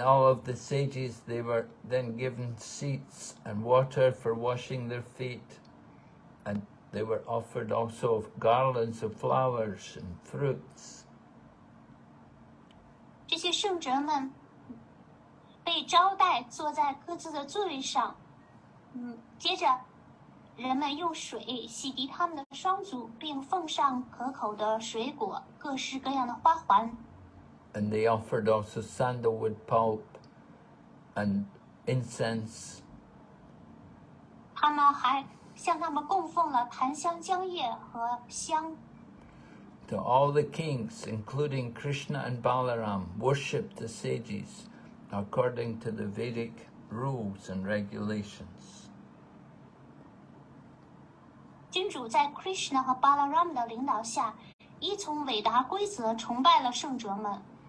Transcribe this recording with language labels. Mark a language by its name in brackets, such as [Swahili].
[English] all of the sages, they were then given seats and water for washing their feet, and they were offered also garlands of flowers and fruits. [Chinese] 这些圣者们 被招待坐在各自的座位上, 接着人们用水洗涤他们的双足, 并奉上可口的水果, 各式各样的花环。 [English] And they offered also sandalwood pulp and incense. [Chinese] 他们还向他们供奉了檀香、姜叶和香。 [English] To all the kings, including Krishna and Balaram, worshipped the sages according to the Vedic rules and regulations. [Chinese] 君主在 Krishna 和 Balaram 的领导下依从韦达规则崇拜了圣者们。